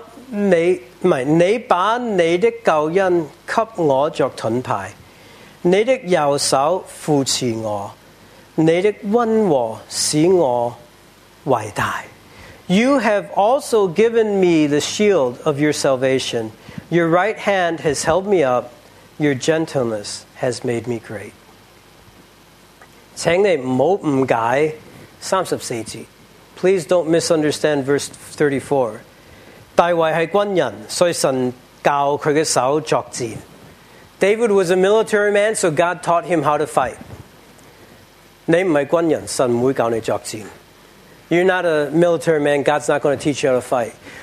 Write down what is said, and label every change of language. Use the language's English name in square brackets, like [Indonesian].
[Chinese] 你把你的救恩给我作盾牌, 你的右手扶持我, 你的温和使我伟大. [English] You have also given me the shield of your salvation. Your right hand has held me up. Your gentleness has made me great. [Chinese] 请你不要误解34节. [English] Please don't misunderstand verse 34. [Chinese] 大卫是军人,所以神教他的手作战. [English] David was a military man, so God taught him how to fight. [Chinese] 你不是军人,神不会教你作战. [English] You're not a military man, God's not going to teach you how to fight.